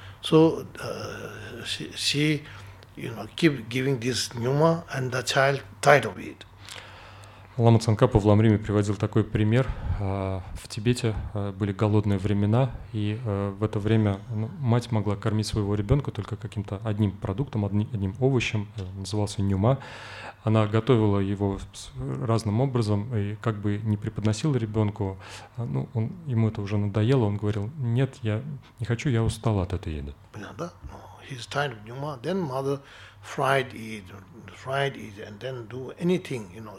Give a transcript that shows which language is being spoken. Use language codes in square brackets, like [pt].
[en] So she, you know, keep giving this nyuma, and the child tired of it. [ru] Лама Цанкапа в Ламриме приводил такой пример. В Тибете были голодные времена, и в это время мать могла кормить своего ребенка только каким-то одним продуктом, одним овощем, назывался нюма. Она готовила его разным образом, и как бы не преподносила ребенку, ему это уже надоело, он говорил, нет, я не хочу, я устал от этой еды. Понятно? [en] He's tired of nyuma, then mother fried it, and then do anything, you know.